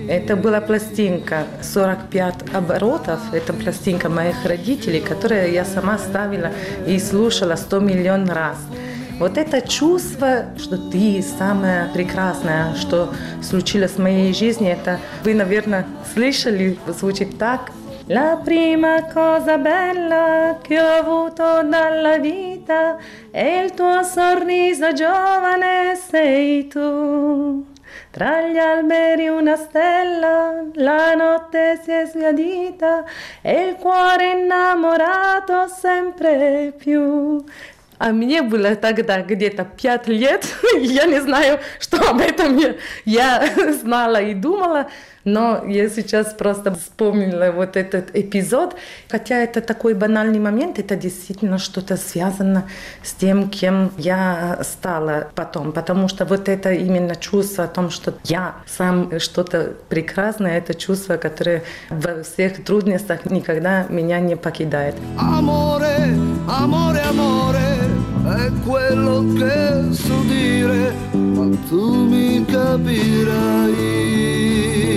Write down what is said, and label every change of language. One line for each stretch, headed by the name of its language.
Russian: Это была пластинка 45 оборотов. Это пластинка моих родителей, которую я сама ставила и слушала 100 миллион раз. Вот это чувство, что ты самое прекрасное, что случилось в моей жизни, это вы, наверное, слышали, звучит так.
Italian: La prima cosa bella che ho avuto dalla vita è il tuo sorriso giovane sei tu. Tra gli alberi una stella, la notte si è sgradita, e il cuore innamorato sempre più.
Russian: А мне было тогда где-то 5 лет, я не знаю, что об этом я знала и думала, но я сейчас просто вспомнила вот этот эпизод. Хотя это такой банальный момент, это действительно что-то связано с тем, кем я стала потом. Потому что вот это именно чувство о том, что я сам что-то прекрасное, это чувство, которое во всех трудностях никогда меня не покидает.
Italian: Amore, amore, amore. È quello che so dire, ma tu mi capirai.